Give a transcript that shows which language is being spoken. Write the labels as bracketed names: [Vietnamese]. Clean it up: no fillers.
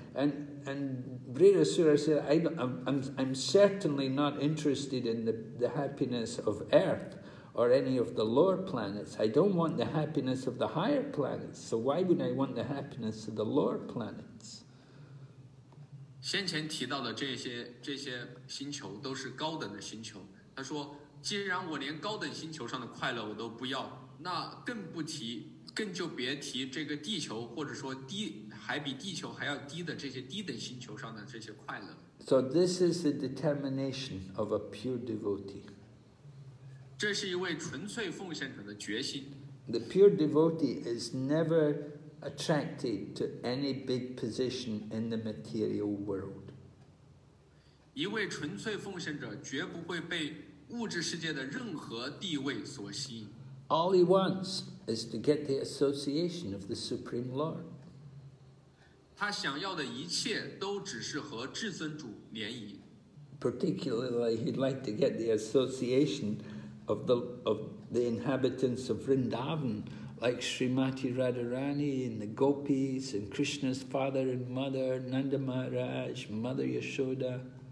[English] And Vritrasura said, I'm certainly not interested in the happiness of Earth or any of the lower planets. I don't want the happiness of the higher planets. So why would I want the happiness of the lower planets? [Chinese] 先前提到的这些星球都是高等的星球。他说，既然我连高等星球上的快乐我都不要，那更不提更就别提这个地球，或者说低还比地球还要低的这些低等星球上的这些快乐。 [English] So this is the determination of a pure devotee. [Chinese] 这是一位纯粹奉献者的决心。 [English] The pure devotee is never attracted to any big position in the material world. [Chinese] 一位纯粹奉献者绝不会被物质世界的任何地位所吸引。 [English] All he wants is to get the association of the Supreme Lord. [Chinese] 他想要的一切都只是和至尊主联谊。 [English] particularly he'd like to get the association of the inhabitants of Vrindavan, like Srimati Radharani and the gopis and Krishna's father and mother, Nanda Maharaj, Mother Yashoda.